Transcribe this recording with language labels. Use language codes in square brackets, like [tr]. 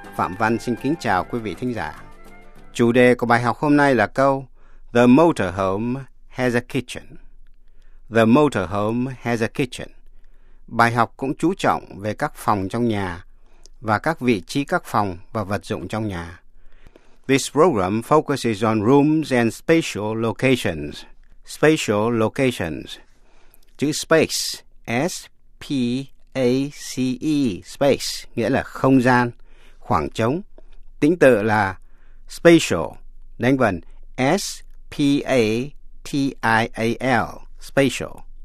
[vi] Phạm Văn xin kính chào quý vị thính giả. Chủ đề của bài học hôm nay là câu [en] The motorhome has a kitchen. The motorhome has a kitchen. [vi] Bài học cũng chú trọng về các phòng trong nhà và các vị trí các phòng và vật dụng trong nhà. [en] This program focuses on rooms and spatial locations. Spatial locations. [vi] Chữ space, S-P-A-C-E, space, nghĩa là không gian, khoảng trống. Tính tự là spatial, đánh vần S-P-A-T-I-A-L, spatial.